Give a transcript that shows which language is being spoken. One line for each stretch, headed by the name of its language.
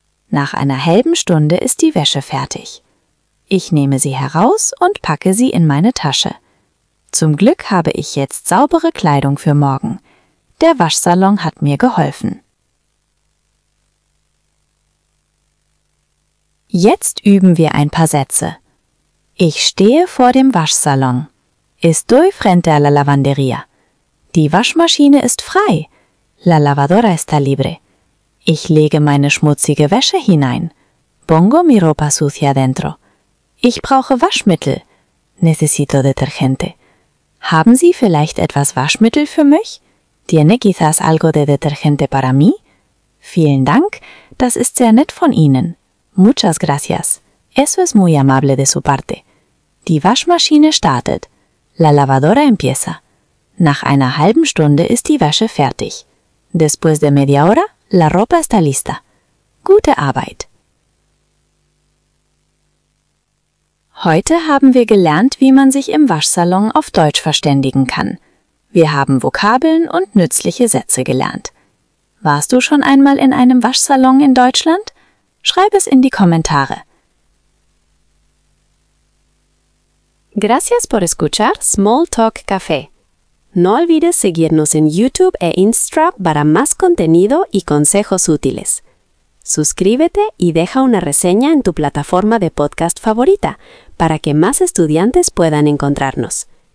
German: Nach einer halben Stunde ist die Wäsche fertig. Ich nehme sie heraus und packe sie in meine Tasche. Zum Glück habe ich jetzt saubere Kleidung für morgen. Der Waschsalon hat mir geholfen. Jetzt üben wir ein paar Sätze. Ich stehe vor dem Waschsalon.
Spanish: Estoy frente a la lavandería.
German: Die Waschmaschine ist frei.
Spanish: La lavadora está libre.
German: Ich lege meine schmutzige Wäsche hinein.
Spanish: Pongo mi ropa sucia dentro.
German: Ich brauche Waschmittel.
Spanish: Necesito detergente.
German: Haben Sie vielleicht etwas Waschmittel für mich?
Spanish: ¿Tiene quizás algo de detergente para mí?
German: Vielen Dank, das ist sehr nett von Ihnen.
Spanish: Muchas gracias. Eso es muy amable de su parte.
German: Die Waschmaschine startet.
Spanish: La lavadora empieza.
German: Nach einer halben Stunde ist die Wäsche fertig.
Spanish: Después de media hora, la ropa está lista.
German: Gute Arbeit. Heute haben wir gelernt, wie man sich im Waschsalon auf Deutsch verständigen kann. Wir haben Vokabeln und nützliche Sätze gelernt. Warst du schon einmal in einem Waschsalon in Deutschland? Schreib es in die Kommentare.
Spanish: Gracias por escuchar Small Talk Café. No olvides seguirnos en YouTube e Instagram para más contenido y consejos útiles. Suscríbete y deja una reseña en tu plataforma de podcast favorita para que más estudiantes puedan encontrarnos.